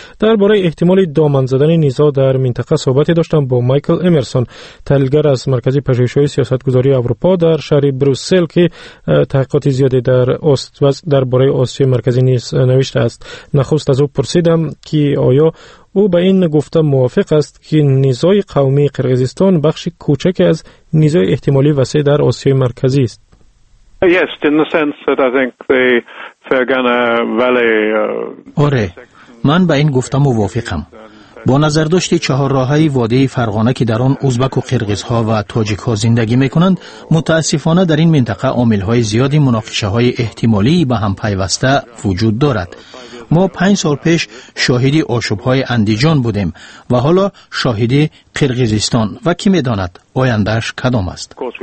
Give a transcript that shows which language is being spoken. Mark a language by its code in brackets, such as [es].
[fa] درباره احتمال دامن زدن نزاع در منطقه صحبتی داشتم با مایکل امرسون، تحلیلگر از مرکز پژوهش‌های سیاست‌گذاری اروپا در شهر بروسل، که تحقیقات زیادی در درباره آسیای مرکزی نیز نوشته است. خواست از او پرسیدم که آیا او به این گفته موافق است که نزای قومی قرقیزستان بخش کوچک از نزای احتمالی وسیع در آسیای مرکزی است. [en] Yes, in the sense that I think the Fergana Valley. [fa] آره، من به این گفته موافقم. با نظر داشت چهار راه های وادی فرغانه که در آن ازبک و قرقیز ها و تاجیک ها زندگی میکنند، متاسفانه در این منطقه عامل های زیادی مناقشه های احتمالی به هم پیوسته وجود دارد. ما 5 سال پیش شاهدی آشوب های اندیجان بودیم و حالا شاهدی قرقیزستان، و کی میداند آیندهش کدام است؟